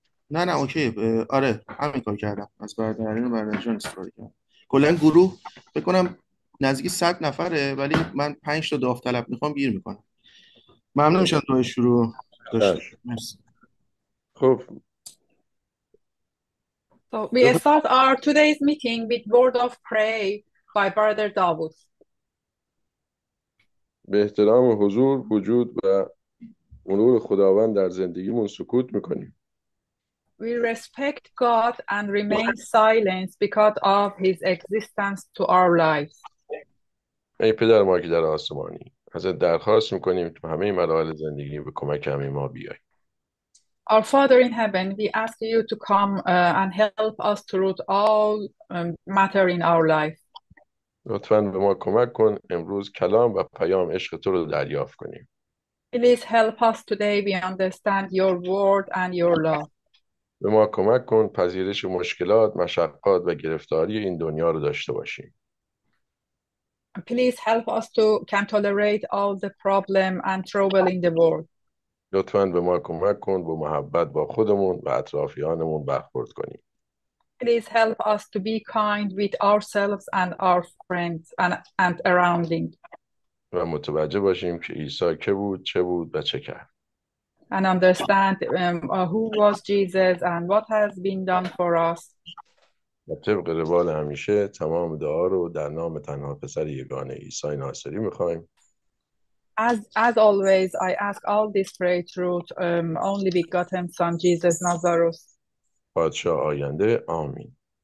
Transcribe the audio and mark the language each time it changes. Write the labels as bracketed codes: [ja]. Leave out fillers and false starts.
[fa] نه اوکی، آره همین کار کردم، از برادرین و برادرجان استفاده کردم. کلا گروه فکر کنم نزدیک 100 نفره، ولی من 5 تا داوطلب میخوام گیر میکنم. ممنون میشم دعای شروع داشته. خب مرسی. [en] So we start our today's meeting with word of pray by Brother Davos. [fa] به احترام و حضور وجود و مرور خداوند در زندگیمون سکوت میکنیم. [en] We respect God and remain silent because of his existence to our lives. [fa] ای پدر ما که در آسمانی، ازت درخواست میکنیم تو همه مراحل زندگی به کمک همه ما بیای. [en] Our Father in heaven, we ask you to come and help us through all matter in our life. [fa] لطفاً به ما کمک کن امروز کلام و پیام عشق تو رو دریافت کنیم. [en] Please help us today we understand your word and your love. [fa] به ما کمک کن پذیرش مشکلات، مشقات و گرفتاری این دنیا رو داشته باشیم. [en] Please help us to can tolerate all the problem and trouble in the world. [fa] لطفاً به ما کمک کن با محبت با خودمون و اطرافیانمون برخورد کنیم. [en] Please help us to be kind with ourselves and our friends and surrounding. [fa] و متوجه باشیم که عیسی که بود، چه بود و چه کرد. [en] And understand who was Jesus and what has been done for us. [fa] و طبق روال همیشه تمام دعا رو در نام تنها پسر یگانه عیسی ناصری میخواییم. [en] As always, I ask all this prayer through only begotten Son Jesus Nazareth. [fa] پادشاه آینده، آمین.